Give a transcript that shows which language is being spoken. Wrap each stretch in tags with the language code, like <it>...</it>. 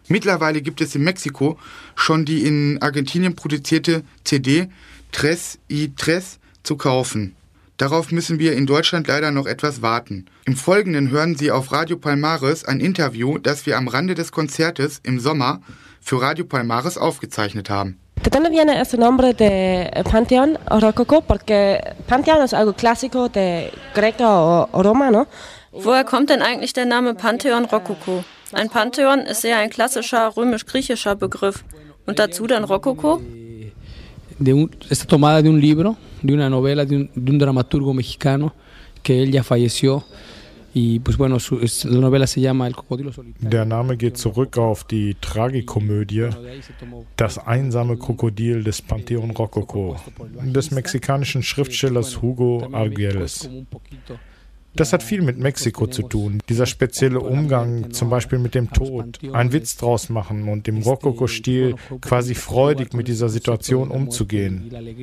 <de>Mittlerweile gibt es in Mexiko schon die in Argentinien produzierte CD Tres y Tres zu kaufen. Darauf müssen wir in Deutschland leider noch etwas warten. Im Folgenden hören Sie auf Radio Palmares ein Interview, das wir am Rande des Konzertes im Sommer für Radio Palmares aufgezeichnet haben.</de> <es>¿De dónde viene este nombre de Panteón Rococó? Porque Panteón es algo clásico de Greco o Romano.</es> <de>Woher kommt denn eigentlich der Name Panteón Rococó? Ein Pantheon ist ja ein klassischer römisch-griechischer Begriff. Und dazu dann Rococó?</de> <es>Es ist tomada de un libro, de una novela, de un dramaturgo mexicano, que él ya falleció.</es> <de>Der Name geht zurück auf die Tragikomödie Das einsame Krokodil des Panteón Rococó des mexikanischen Schriftstellers Hugo Argüelles. Das hat viel mit Mexiko zu tun, dieser spezielle Umgang zum Beispiel mit dem Tod, einen Witz draus machen und im Rococo-Stil quasi freudig mit dieser Situation umzugehen.</de>